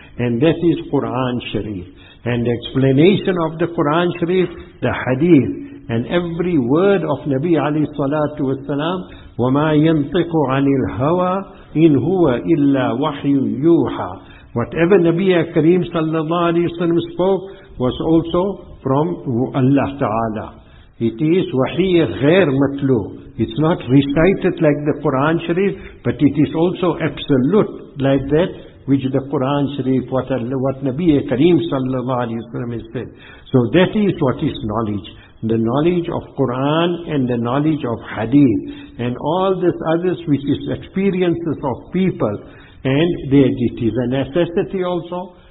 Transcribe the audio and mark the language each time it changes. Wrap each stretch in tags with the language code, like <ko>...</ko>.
<en>And that is Quran Sharif. And the explanation of the Quran Sharif, the Hadith, and every word of Nabi alayhi salatu wasalam,</en> <ar>وَمَا يَنْطِقُ عَنِ الْهَوَىٰ إِنْ هُوَ إِلَّا وَحْيُ يُوحَىٰ.</ar> <en>Whatever Nabi Kareem sallallahu alayhi wasallam spoke was also from Allah Ta'ala. It is</en> <ar>وحي غير متلو.</ar> <en>It's not recited like the Quran Sharif, but it is also absolute like that which the Quran Sharif, what Nabi Kareem sallallahu alayhi wasallam has said. So that is what is knowledge. The knowledge of Quran and the knowledge of Hadith and all this others which is experiences of people, and there it is a necessity also.</en>